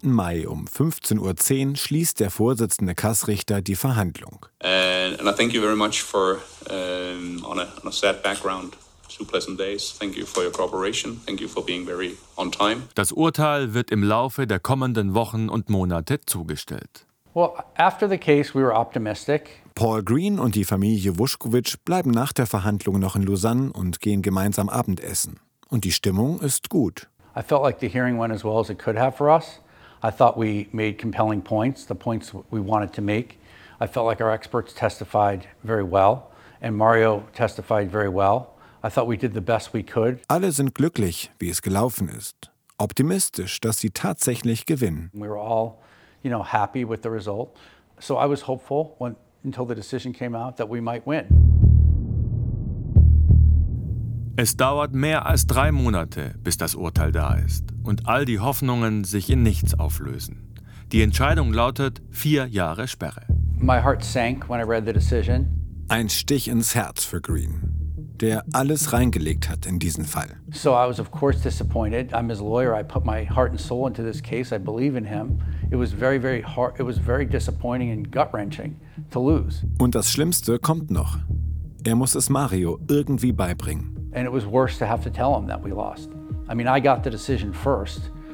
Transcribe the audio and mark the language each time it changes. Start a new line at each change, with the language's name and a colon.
German: Mai um 15.10 Uhr schließt der Vorsitzende Kassrichter die Verhandlung.
English: And I thank you very much for on a sad background, 2 pleasant days. Thank you for your cooperation. Thank you for being very on time.
German: Das Urteil wird im Laufe der kommenden Wochen und Monate zugestellt.
English: Well, after the case we were optimistic.
German: Paul Green und die Familie Vuskovic bleiben nach der Verhandlung noch in Lausanne und gehen gemeinsam Abendessen. Und die Stimmung ist gut.
English: I felt like the hearing went as well as it could have for us. I thought we made compelling points, the points we wanted to make. I felt like our experts testified very well and Mario testified very well. I thought we did the best we could.
German: Alle sind glücklich, wie es gelaufen ist. Optimistisch, dass sie tatsächlich gewinnen.
English: We were all, you know, happy with the result. So I was hopeful until the decision came out that we might win.
German: Es dauert mehr als 3 Monate, bis das Urteil da ist und all die Hoffnungen sich in nichts auflösen. Die Entscheidung lautet 4 Jahre Sperre.
English: My heart sank when I read the decision.
German: Ein Stich ins Herz für Green, der alles reingelegt hat in diesen Fall.
English: So I was of course disappointed. I'm his lawyer. I put my heart and soul into this case. I believe in him. It was very, very hard. It was very disappointing and gut-wrenching to lose.
German: Und das Schlimmste kommt noch. Er muss es Mario irgendwie beibringen.
English: And it was worse to have to tell him that we lost. I mean, I got the decision first.